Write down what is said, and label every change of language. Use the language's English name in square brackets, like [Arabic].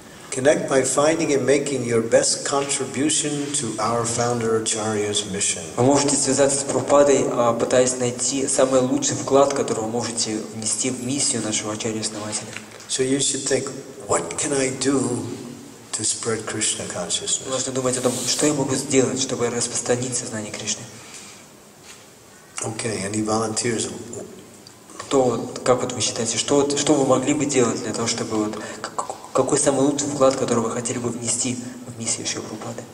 [English] Connect by finding and making your best contribution to our founder Acharya's mission. [Russian] Вы можете связаться с Прабхупадой, пытаясь найти самый лучший вклад, который вы можете внести в миссию нашего Ачарьи-основателя. [English] So you should think, what can I do to spread Krishna consciousness? [Russian] Вы должны думать о том, что я могу сделать, чтобы распространить сознание Кришны. [English] Okay, any volunteers? [Russian] Кто, как вот вы считаете, что вы могли бы делать для того, чтобы вот какой самый лучший вклад, который вы хотели бы внести в миссию Шри Прабхупады?